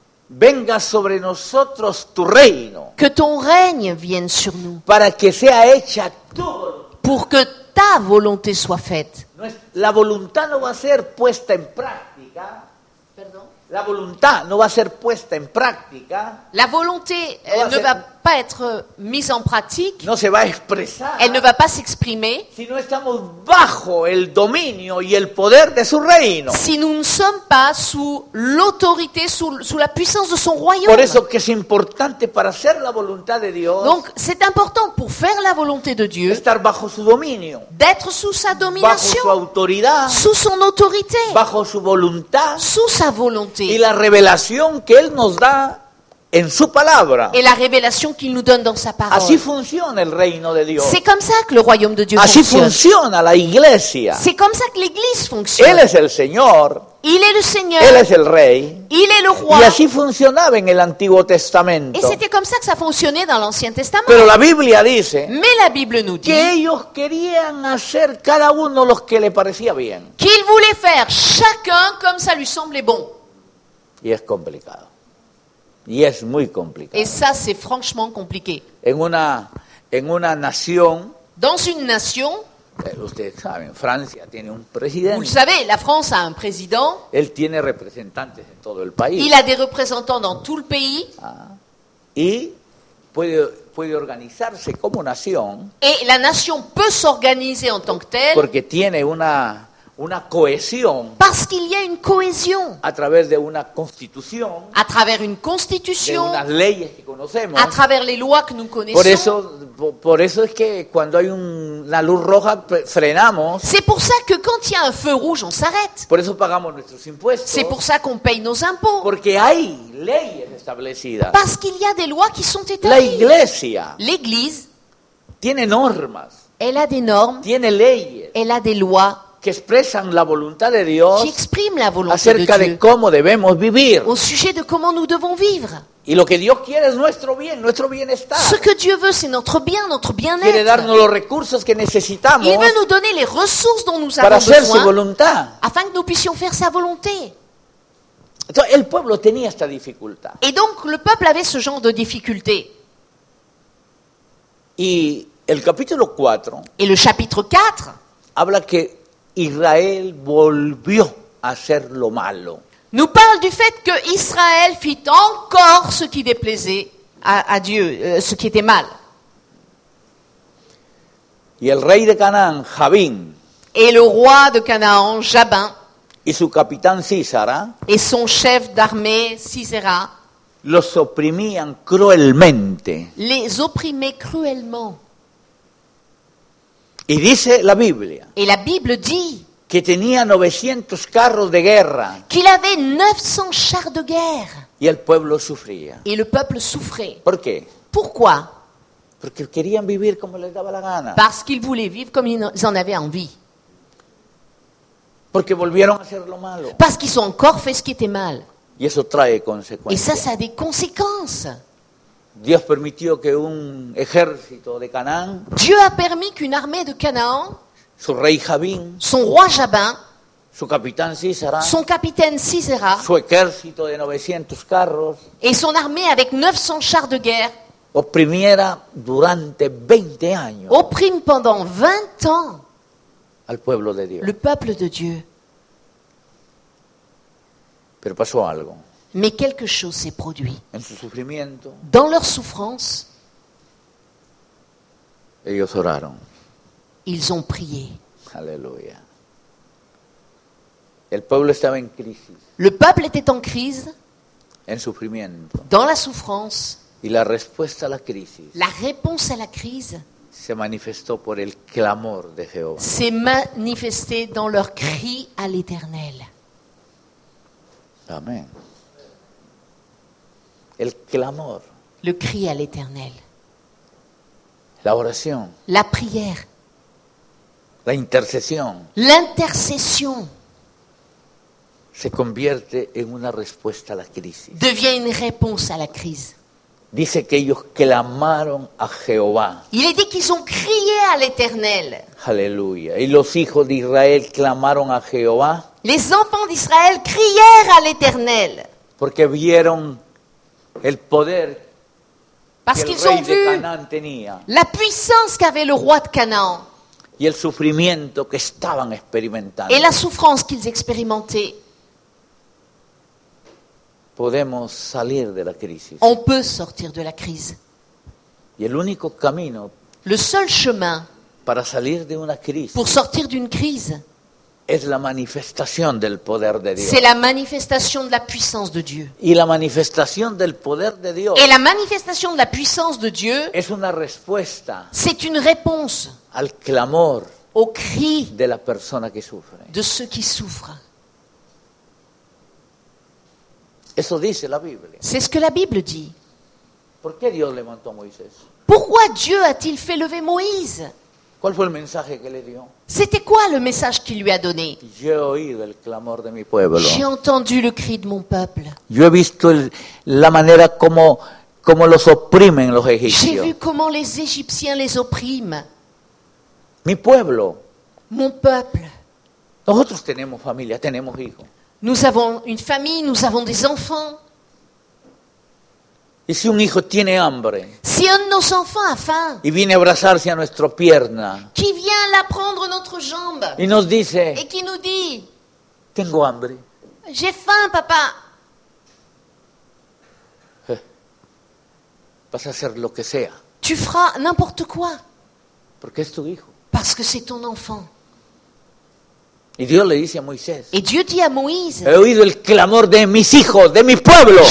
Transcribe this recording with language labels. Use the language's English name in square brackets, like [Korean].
[Spanish] Venga sobre nosotros tu reino. [French] Que ton règne vienne sur nous. [Spanish] Para que sea hecha tu. [French] Pour que ta volonté soit faite. [Spanish] La voluntad no va a ser puesta en práctica. Perdón. La voluntad no va a ser puesta en práctica. [French] La volonté [Spanish] no va, ser, va [French] pas être mise en pratique, [Spanish] no se va a expresar, [French] elle ne va pas s'exprimer, [Spanish] si no estamos bajo el dominio y el poder de su reino. [French] Si nous ne sommes pas sous l'autorité, sous la puissance de son royaume. [Spanish] Por eso que es importante para hacer la voluntad de Dios. [French] Donc c'est important pour faire la volonté de Dieu. [Spanish] Estar bajo su dominio. [French] D'être sous sa domination. [Spanish] Bajo su autoridad. [French] Sous son autorité. [Spanish] Bajo su voluntad. [French] Sous sa volonté. [Spanish] Y la revelación que él nos da en su palabra. [French] Et la révélation qu'il nous donne dans sa parole. [Spanish] Así funciona el reino de Dios. [French] C'est comme ça que le royaume de Dieu [Spanish] Así [French] fonctionne. [Spanish] Funciona la iglesia. [French] C'est comme ça que l'église fonctionne. [Spanish] Él es el Señor. [French] Il est le Seigneur. [Spanish] Él es el Rey. [French] Il est le Roi. [Spanish] Y así funcionaba en el Antiguo Testamento. [French] Et c'était comme ça que ça fonctionnait dans l'Ancien Testament. [Spanish] Pero la Biblia dice. [French] Mais la Bible nous dit. [Spanish] Que ellos querían hacer cada uno lo que le parecía bien. [French] Qu'ils voulaient faire chacun comme ça lui semblait bon. [Spanish] Y es complicado. Y es muy complicado. [French] Et ça, c'est franchement compliqué. [Spanish] En una nación, [French] dans une nation, [Spanish] usted sabe, Francia tiene un presidente. [French] Vous le savez, la France a un président. [Spanish] Él tiene representantes en todo el país. [French] Il a des représentants dans tout le pays. [Spanish] Y puede organizarse como nación. [French] Et la nation peut s'organiser en tant que telle. [Spanish] Porque tiene una cohesión. [French] Parce qu'il y a une cohésion. [Spanish] A través de una constitución. [French] À travers une constitution. [Spanish] De unas leyes que conocemos. [French] À travers les lois que nous connaissons. [Spanish] Por eso es que cuando hay una luz roja frenamos. [French] C'est pour ça que quand il y a un feu rouge, on s'arrête. [Spanish] Por eso pagamos nuestros impuestos. [French] C'est pour ça qu'on paye nos impôts. [Spanish] Porque hay leyes establecidas. [French] Parce qu'il y a des lois qui sont établies. [Spanish] La iglesia. [French] L'église. [Spanish] Tiene normas. [French] Elle a des normes. [Spanish] Tiene leyes. [French] Elle a des lois. [Spanish] Que expresan la voluntad de Dios la acerca de [French] Dieu [Spanish] cómo debemos vivir. [French] Au sujet de comment nous devons vivre. [Spanish] Y lo que Dios quiere es nuestro bienestar. [French] Ce que Dieu veut, c'est notre bien-être. [Spanish] Quiere darnos los recursos que necesitamos. [French] Il veut nous donner les ressources dont nous avons [Spanish] Para hacer su voluntad. [French] Afin que nous puissions faire sa volonté. [Spanish] Entonces, el pueblo tenía esta dificultad. [French] Et donc le peuple avait ce genre de difficulté. [Spanish] Y el capítulo 4. [French] Et le chapitre 4 [Spanish] habla que Israel volvió a hacer lo malo. [French] Nous parle du fait que Israël fit encore ce qui déplaisait à Dieu, ce qui était mal. [Spanish] Y el rey de Canaán, Jabín, [French] et le roi de Canaán, Jabin, [Spanish] y su capitán Sísara, [French] et son chef d'armée, Sísara, [Spanish] los oprimían cruelmente. [French] Les opprimaient cruellement. [Spanish] Y dice la Biblia. [French] Et la Bible dit [Spanish] que tenía 900 carros de guerra. [French] Qu'il avait 900 chars de guerre. [Spanish] Y el pueblo sufría. [French] Et le peuple souffrait. [Spanish] ¿Por qué? [French] Pourquoi? [Spanish] Porque querían vivir como les daba la gana. [French] Parce qu'ils voulaient vivre comme ils en avaient envie. [Spanish] Porque volvieron a hacer lo malo. [French] Parce qu'ils ont encore fait ce qui était mal. [Spanish] Y eso trae consecuencias. [French] Et ça a des conséquences. [Spanish] Dios permitió que un ejército de Canaán, [French] Dieu a permis qu'une armée de Canaan, [Spanish] su rey Jabín, [French] son roi Jabin, [Spanish] su capitán Sísara, [French] son capitaine Sísara, [Spanish] su ejército de 900 carros, [French] et son armée avec 900 chars de guerre, [Spanish] oprimiera durante 20 años, [French] opprime pendant 20 ans, [Spanish] al pueblo de Dios, [French] le peuple de Dieu. [Spanish] Pero pasó algo. [French] Mais quelque chose s'est produit. [Spanish] En su sufrimiento, [French] dans leur souffrance, [Spanish] ellos oraron. [French] Ils ont prié. Alléluia. [Spanish] El pueblo estaba en crisis. [French] Le peuple était en crise. [Spanish] En sufrimiento, [French] dans la souffrance. [Spanish] Y la respuesta a la crisis, [French] la réponse à la crise, [Spanish] se manifestó por el clamor de Jehová. [French] S'est manifestée dans leur cri à l'Éternel. Amen. [Spanish] El clamor. [French] Le cri à l'Éternel. [Spanish] La oración. [French] La prière. [Spanish] La intercesión. [French] L'intercession. [Spanish] Se convierte en una respuesta a la crisis. [French] Devient une réponse à la crise. [Spanish] Dice que ellos clamaron a Jehová. [French] Il est dit qu'ils ont crié à l'Éternel. [Spanish] Aleluya. Y los hijos de Israel clamaron a Jehová. [French] Les enfants d'Israël crièrent à l'Éternel. [Spanish] Porque vieron el poder [French] parce que qu'ils ont vu la puissance qu'avait le roi de Canaan [Spanish] y el sufrimiento que estaban experimentando. [French] Et la souffrance qu'ils expérimentaient. [Spanish] Podemos salir de la crisis. [French] On peut sortir de la crise. [Spanish] Y el único camino, [French] le seul chemin, [Spanish] para salir de una crisis, [French] pour sortir d'une crise, [Spanish] es la manifestación del poder de Dios. [French] C'est la manifestation de la puissance de Dieu. [Spanish] Y la manifestación del poder de Dios. [French] Et la manifestation de la puissance de Dieu. [Spanish] Es una respuesta. [French] C'est une réponse. [Spanish] Al clamor. [French] Au cri. [Spanish] De la persona que sufre. [French] De ceux qui souffrent. [Spanish] Eso dice la Biblia. [French] C'est ce que la Bible dit. [Spanish] ¿Por qué Dios levantó a Moisés? [French] Pourquoi Dieu a-t-il fait lever Moïse? [Spanish] ¿Cuál fue el mensaje que le dio? [French] C'était quoi le message qu'il lui a donné? J'ai [Spanish] oído el clamor de mi pueblo. [French] J'ai entendu le cri de mon peuple. [Spanish] Yo he visto la manera como los oprimen los egipcios. [French] J'ai vu comment les Égyptiens les oppriment. [Spanish] Mi pueblo. [French] Mon peuple. [Spanish] Nosotros tenemos familia, tenemos hijos. [French] Nous avons une famille, nous avons des enfants. [Spanish] Y si un hijo tiene hambre. [French] Si un de nos enfants a faim. [Spanish] Y viene a abrazarse a nuestra pierna. [French] Qui vient la prendre notre jambe. [Spanish] Y nos dice. [French] Et qui nous dit. [Spanish] Tengo hambre. [French] J'ai faim, papá. [Spanish] Vas a hacer lo que sea. [French] Tu feras n'importe quoi. [Spanish] Porque es tu hijo. [French] Parce que c'est ton enfant. [Spanish] Y Dios le dice a Moisés. [French] Et Dieu dit à Moïse. [Spanish] He oído el clamor de mis hijos, de mi pueblo.